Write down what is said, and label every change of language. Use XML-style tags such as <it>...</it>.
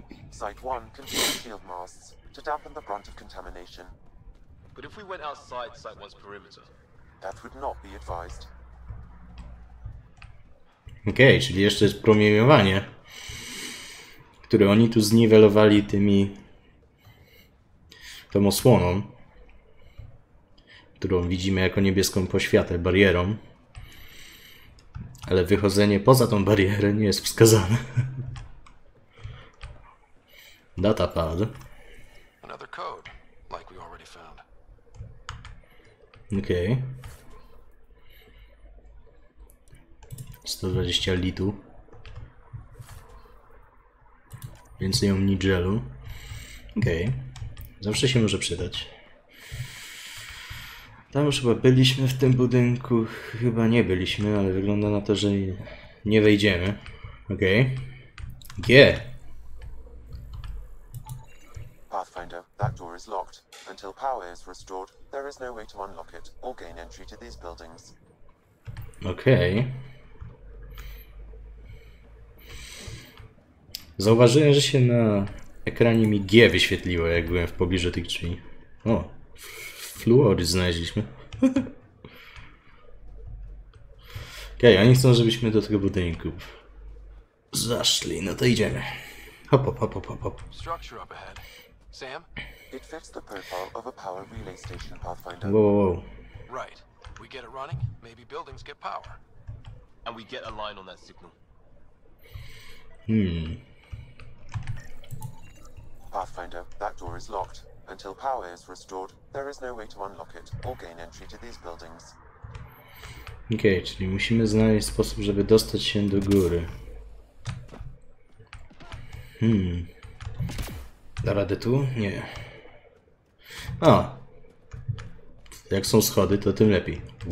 <en>Site 1 contains shield masts to dampen the brunt of contamination. But if we went outside Site 1's perimeter, that would not be advised.</en> <pl>Okej, czyli jeszcze jest promieniowanie, które oni tu zniwelowali tymi tą osłoną, którą widzimy jako niebieską poświatę, barierą. Ale wychodzenie poza tą barierę nie jest wskazane. Datapad.</pl> <en>Another code, like we already found.</en> <pl>Okej. 120 litu. Więcej omnigelu. Okej. Zawsze się może przydać. Tam już chyba byliśmy w tym budynku. Chyba nie byliśmy, ale wygląda na to, że nie wejdziemy. Okej.</pl> <en>Pathfinder, that door is locked. Until power is restored, there is no way to unlock it or gain entry to these buildings.</en> <pl>Okej. Zauważyłem, że się na ekranie mi G wyświetliło, jak byłem w pobliżu tych drzwi. O, fluor znaleźliśmy. Okej, oni chcą, żebyśmy do tego budynku zaszli. No to idziemy. Hop, hop, hop, hop, hop.</pl> <en>Structure up ahead. Sam? It fits the profile of a power relay station, Pathfinder. Whoa, right. We get it running, maybe buildings get power. And we get a line on that signal. Pathfinder, that door is locked. Until power is restored, there is no way to unlock it or gain entry to these buildings.</en> <pl>Okej, czyli musimy znaleźć sposób, żeby dostać się do góry. Da radę tu? Nie. A! Jak są schody, to tym lepiej.</pl>